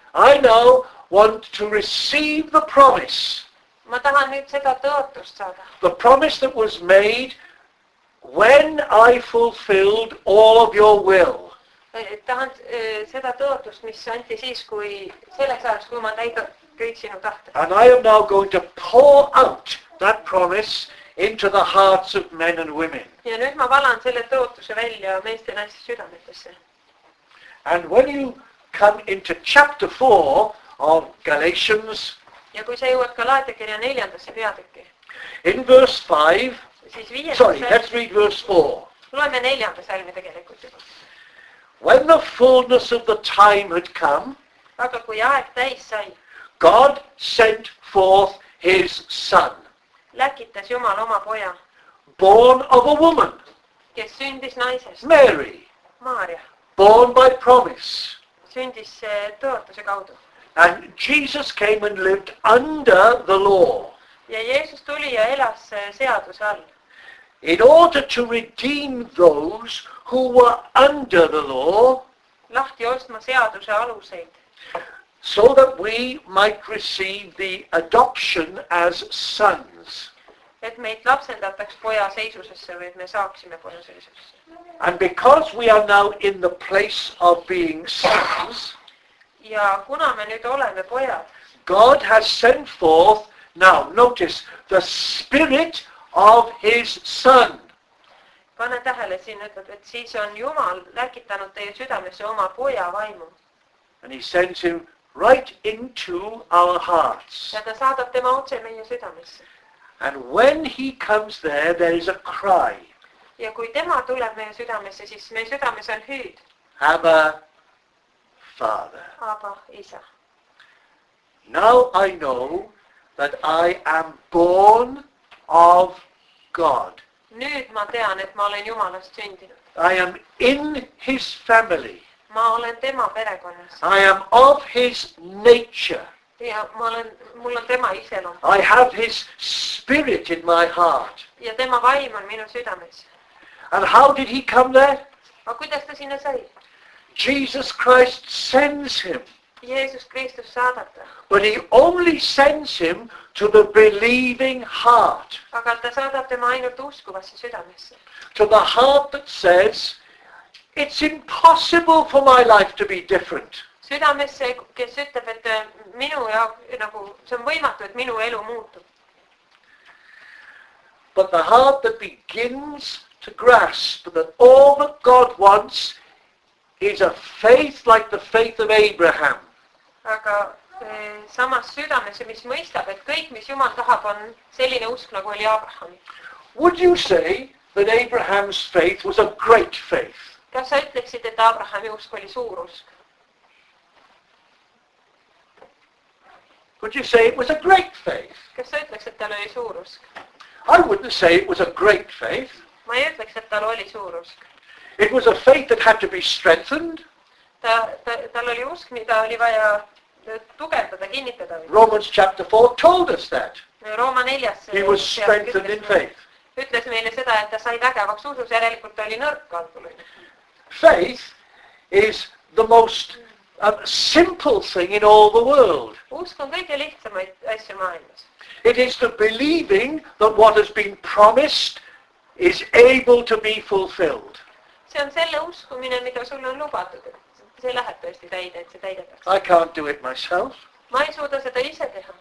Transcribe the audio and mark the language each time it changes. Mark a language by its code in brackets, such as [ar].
[en] I now want to receive the promise. [et] Ma tahan nüüd seda tõotust saada. [en] The promise that was made when I fulfilled all of your will. [et] Tahan seda tõotust, mis anti siis, kui selleks ajaks, kui ma täidan kõik sinu tahte. [en] And I am now going to pour out that promise into the hearts of men and women. [et] Ja nüüd ma valan selle tõotuse välja meeste naiste südametesse. [en] And when you come into chapter 4 of Galatians, [et] ja kui sa jõuad Galaatia kirja neljandasse peatükki, [en] in verse 5, [et] siis viies, [en] sorry, let's read verse 4. [et] Loeme neljanda salmi tegelikult juba. [en] When the fullness of the time had come, [et] aga kui aeg täis sai, [en] God sent forth his son. [et] Läkitas Jumal oma poja. [en] Born of a woman. [et] Kes sündis naisest. [en] Mary. [et] Maria. [en] Born by promise. [et] Sündis tõotuse kaudu. [en] And Jesus came and lived under the law. [et] Ja Jeesus tuli ja elas seaduse all. [en] In order to redeem those who were under the law, [et] lahti ostma seaduse aluseid, [en] so that we might receive the adoption as sons. [et] Et meid lapsendataks poja seisusesse või et me saaksime poja seisusesse. [en] And because we are now in the place of being sons, [et] ja kuna me nüüd oleme pojad, [en] God has sent forth, now notice, the Spirit of his son. [et] Pane tähele siin ütleb, et siis on Jumal läkitanud teie südamesse oma poja vaimu. [en] And he sends him right into our hearts. [et] Ja ta saadab tema otse meie südamesse. [en] And when he comes there, there is a cry. [et] Ja kui tema tuleb meie südamesse, siis meie südames on hüüd. [en] Abba, Father. [et] Abba, Isa. [en] Now I know that I am born of God. [et] Nüüd ma tean, et ma olen Jumalast sündinud. [en] I am in his family. [et] Ma olen tema perekonnas. [en] I am of his nature. [et] Ja ma olen, mul on tema iselom. [en] I have his spirit in my heart. [et] Ja tema vaim on minu südames. [en] And how did he come there? [et] Ma kuidas ta sinna sai? [en] Jesus Christ sends him. [et] Jeesus Kristus saadata. [en] But he only sends him to the believing heart. [et] Aga ta saadab tema ainult uskuvasse südamesse. [en] To the heart that says, it's impossible for my life to be different. [et] Südamesse, kes ütleb, et minu jaoks, nagu, see on võimatu, et minu elu muutub. [en] But the heart that begins to grasp that all that God wants is a faith like the faith of Abraham. [et] Aga samas südamesse, mis mõistab, et kõik, mis Jumal tahab, on selline usk, nagu oli Abraham. [en] Would you say that Abraham's faith was a great faith? [et] Kas sa ütleksid, et Abrahami usk oli suur usk? [en] Would you say it was a great faith? [et] Kas sa ütleks, et tal oli suur usk? [en] I wouldn't say it was a great faith. [et] Ma ei ütleks, et tal oli suur usk. [en] It was a faith that had to be strengthened. [et] Tal oli usk, mida oli vaja tugevdada, kinnitada. [en] Romans chapter 4 told us that. [et] Rooma neljas. [en] He was strengthened in faith. [et] Ütles meile seda, et ta sai vägevaks usus, järelikult oli nõrk kaldunud. [en] Faith is the most simple thing in all the world. [et] Usk on kõige lihtsamaid asju maailmas. [en] It is the believing that what has been promised is able to be fulfilled. [et] See on selle uskumine, mida sulle on lubatud. See läheb tõesti täide, et see täidetaks. [en] I can't do it myself. [et] Ma ei suuda seda ise teha.